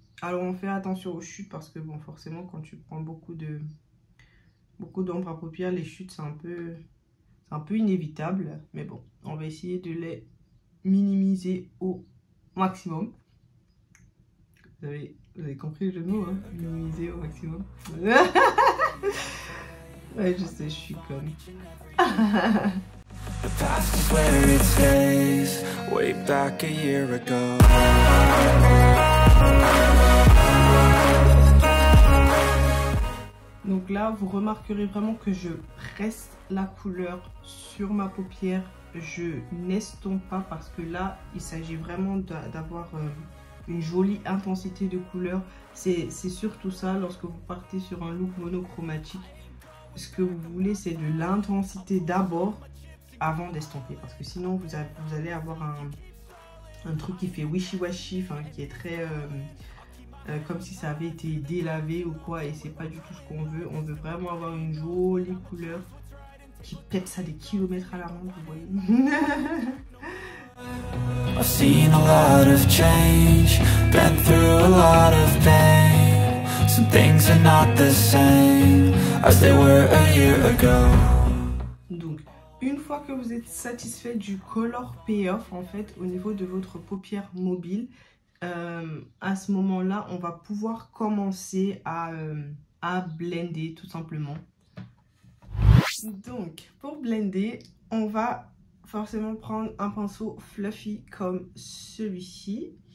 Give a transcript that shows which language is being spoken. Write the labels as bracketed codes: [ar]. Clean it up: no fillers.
[fr] Alors on fait attention aux chutes parce que bon, forcément, quand tu prends beaucoup d'ombre à paupières, les chutes c'est un peu inévitable, mais bon, on va essayer de les minimiser au maximum. Vous avez compris le jeu de mots, hein? Minimiser au maximum. Ouais, je sais, je suis conne. [en] The past is where it stays, way back a year ago. [fr] Donc là, vous remarquerez vraiment que je presse la couleur sur ma paupière. Je n'estompe pas parce que là, il s'agit vraiment d'avoir une jolie intensité de couleur. C'est surtout ça lorsque vous partez sur un look monochromatique. Ce que vous voulez, c'est de l'intensité d'abord avant d'estomper. Parce que sinon, vous allez avoir un truc qui fait wishy-washy, enfin, qui est très comme si ça avait été délavé ou quoi. Et c'est pas du tout ce qu'on veut. On veut vraiment avoir une jolie couleur qui pète ça des kilomètres à la ronde, vous voyez. [en] I've seen a lot of change, been through a lot of pain. Some things are not the same as they were a year ago. [fr] Donc, une fois que vous êtes satisfait du color payoff en fait au niveau de votre paupière mobile, à ce moment-là, on va pouvoir commencer à blender tout simplement. Donc, pour blender, on va forcément prendre un pinceau fluffy comme celui-ci.